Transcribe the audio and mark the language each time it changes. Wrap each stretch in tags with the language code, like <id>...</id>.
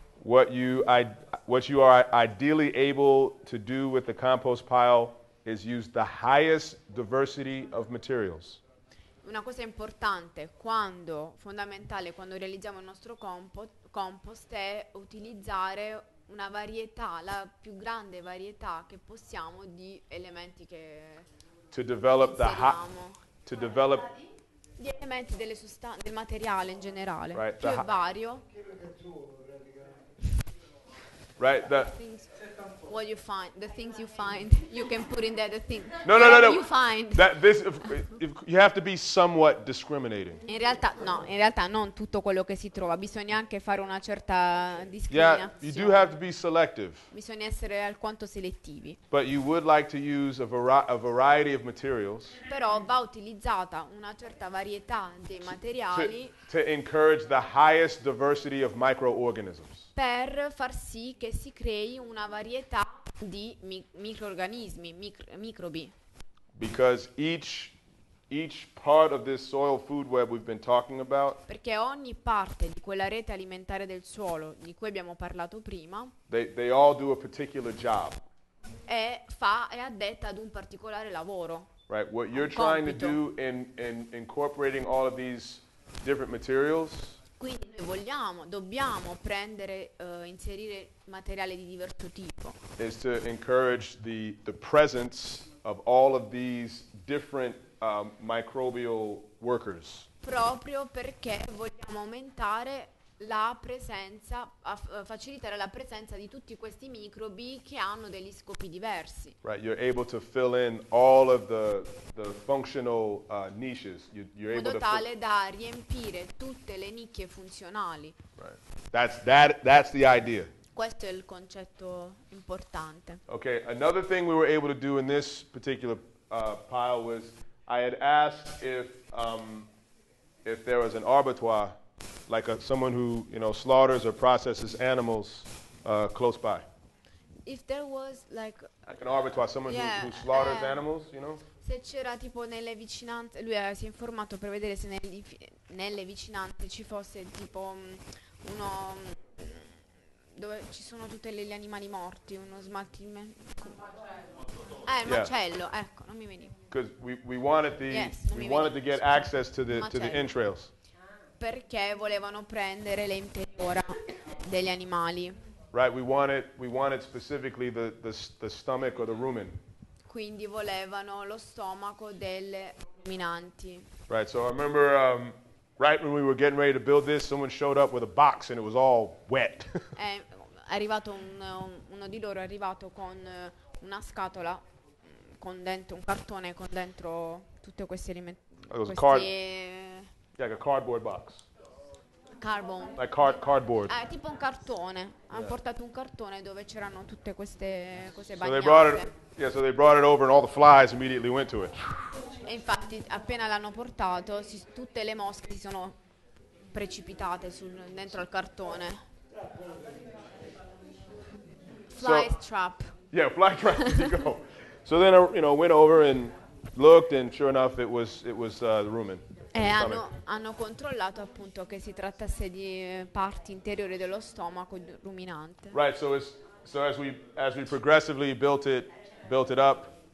<en>What you are ideally able to do with the compost pile is use the highest diversity of materials.</en> <it>Una cosa importante, quando fondamentale, quando realizziamo il nostro compost è utilizzare una varietà, la più grande varietà che possiamo di elementi che</it> <en>to develop</en> <it>gli elementi delle sostanze, del materiale in generale, right, più vario.</it> <en>Right, the what you find, the things you find, you can put in there the thing. No. You find that this if you have to be somewhat discriminating.</en> <it>In realtà non tutto quello che si trova, bisogna anche fare una certa discriminazione.</it> <en>Yeah, you do have to be selective.</en> <it>Bisogna essere alquanto selettivi.</it> <en>But you would like to use a variety of materials.</en> <it>Però va utilizzata una certa varietà di materiali</it> <en>to encourage the highest diversity of microorganisms.</en> <it>Per far sì che si crei una varietà di microrganismi, microbi.</it> <en>Because each part of this soil food web we've been talking about.</en> <it>Perché ogni parte di quella rete alimentare del suolo di cui abbiamo parlato prima.</it> <en>They all do a particular job.</en> <it>È addetta ad un particolare lavoro.</it> <en>Right. What you're trying to do in incorporating all of these different materials.</en> <it>Quindi noi dobbiamo prendere, inserire materiale di diverso tipo.</it> <en>Is to encourage the presence of all of these different microbial workers.</en> <it>Proprio perché vogliamo aumentare la presenza, facilitare la presenza di tutti questi microbi che hanno degli scopi diversi.</it> <en>Right, you're able to fill in all of the functional niches. You're able</en> <it>in modo tale da riempire tutte le nicchie funzionali.</it> <en>Right, that's the idea.</en> <it>Questo è il concetto importante.</it> <en>Okay, another thing we were able to do in this particular pile was I had asked if there was an abattoir. Like someone who, you know, slaughters or processes animals close by. If there was like an abattoir, someone who slaughters animals, you know.</en> <it>Se c'era tipo nelle vicinanze, lui si è informato per vedere se nelle vicinanze ci fosse tipo uno dove ci sono tutte gli animali morti, uno smaltimento. Macello, ecco, non mi veniva.</it> <en>Because we wanted to get access to the entrails.</en> <it>Perché volevano prendere le interiora degli animali.</it> <en>Right, we wanted specifically the stomach or the rumen.</en> <it>Quindi volevano lo stomaco delle ruminanti.</it> <en>Right, so I remember right when we were getting ready to build this, someone showed up with a box and it was all wet.</en> <it>È arrivato uno di loro è arrivato con una scatola con dentro un cartone con dentro tutte questi elementi.</it> <en>Yeah, like a cardboard box. Carbon. Like cardboard.</en> <it>Tipo un cartone. Hanno portato un cartone dove c'erano tutte queste cose bagnate.</it> <en>So they brought it. Yeah, so they brought it over, and all the flies immediately went to it.</en> <it>E infatti, appena l'hanno portato, tutte le mosche si sono precipitate dentro al cartone.</it> <en>Fly trap. Yeah, fly trap. You go. So then, you know, went over and looked, and sure enough, it was the rumen.</en> <it>E hanno controllato appunto che si trattasse di parti interiori dello stomaco ruminante.</it> <en>Right. So as we progressively built it up.</en>